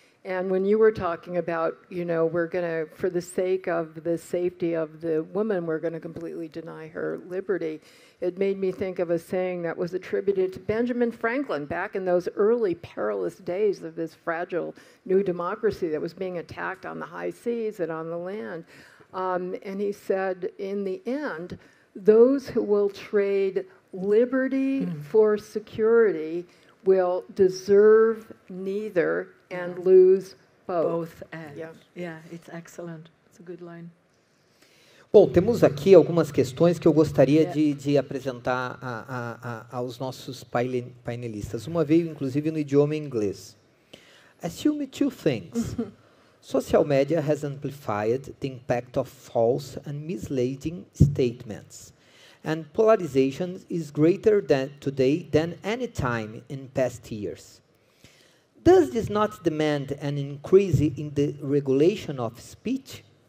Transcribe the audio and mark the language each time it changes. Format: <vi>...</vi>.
<en>And when you were talking about, you know, we're going to, for the sake of the safety of the woman, we're going to completely deny her liberty, it made me think of a saying that was attributed to Benjamin Franklin back in those early perilous days of this fragile new democracy that was being attacked on the high seas and on the land. And he said, in the end, those who will trade liberty for security will deserve neither and lose both. It's excellent. It's a good line.</en> <pt>Bom, temos aqui algumas questões que eu gostaria de apresentar aos nossos painelistas. Uma veio, inclusive, no idioma inglês.</pt> <en>Assume two things. Social media has amplified the impact of false and misleading statements. And polarization is greater than today than any time in past years. Does this not demand an increase in the regulation of speech?</en>